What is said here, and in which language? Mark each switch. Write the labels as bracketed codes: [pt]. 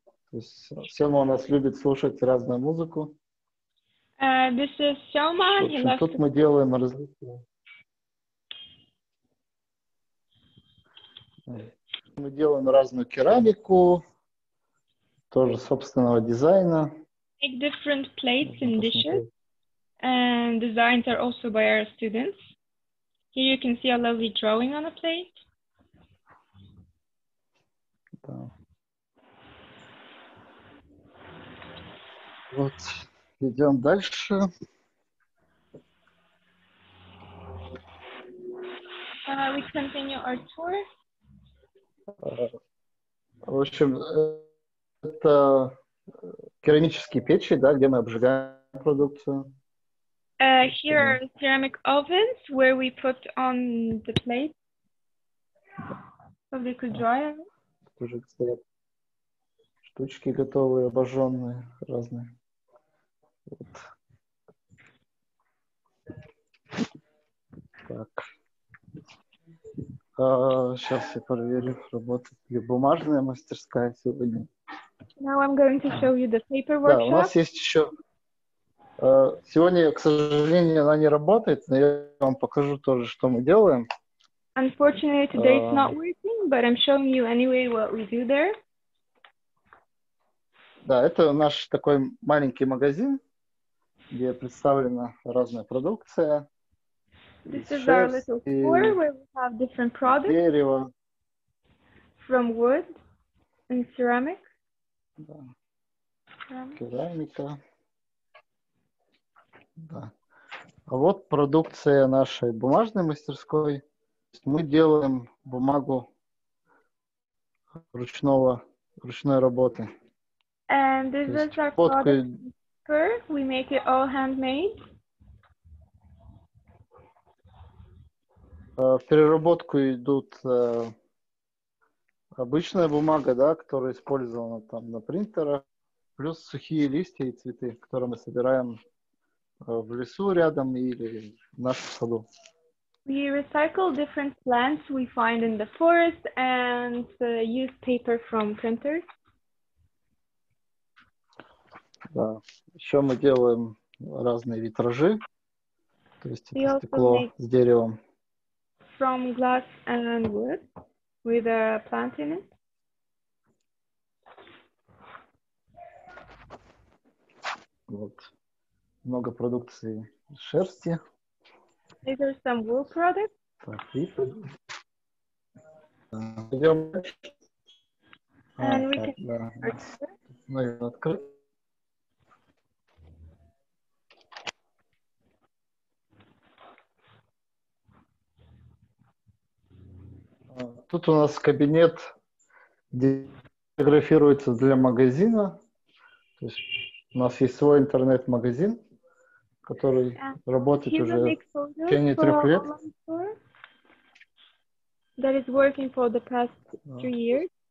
[ru] То есть Сёма у нас любит слушать разную музыку. [en] This is Сёма. [ru] Тут мы делаем различные. Мы делаем разную керамику, тоже собственного дизайна. [en] Make different plates and dishes, and designs are also by our students. Here you can see a lovely drawing on a plate. [ru] Да. Вот, идем дальше. [en] We continue our tour. [ru] В общем, это керамические печи, да, где мы обжигаем продукцию. [en] Here are ceramic ovens where we put on the plate so they could dry. [ru] Тоже стоят штучки готовые, обожженные, разные. Вот. Так. Сейчас я проверю, работает ли бумажная мастерская сегодня. [en] Now I'm going to show you the paper workshop. [ru] Да, у нас есть еще. Сегодня, к сожалению, она не работает, но я вам покажу тоже, что мы делаем. [en] Unfortunately, today it's not working, but I'm showing you anyway what we do there. [ru] Да, это наш такой маленький магазин, где представлена разная продукция. [en] This is our little store where we have different products. [ru] Дерево. [en] From wood and ceramic. [ru] Да. Керамика. Да. А вот продукция нашей бумажной мастерской. Мы делаем бумагу ручной работы. [en] And this is our product. We make it all handmade. [ru] В переработку идут обычная бумага, да, которая использована там на принтерах, плюс сухие листья и цветы, которые мы собираем в лесу рядом или в нашем саду. [en] We recycle different plants we find in the forest and use paper from printers. [ru] Да. Еще мы делаем разные витражи, то есть это стекло с деревом. [en] From glass and wood with a plant in it. [ru] Вот. Много продукции шерсти. [en] These are some wool products. [ru] Так, и... Идем. [en] And we can [ru] да. Ну, открыть. Тут у нас кабинет, где фотографируется для магазина. То есть у нас есть свой интернет-магазин, который работает уже в течение трех лет. [en] That is working for the past three years.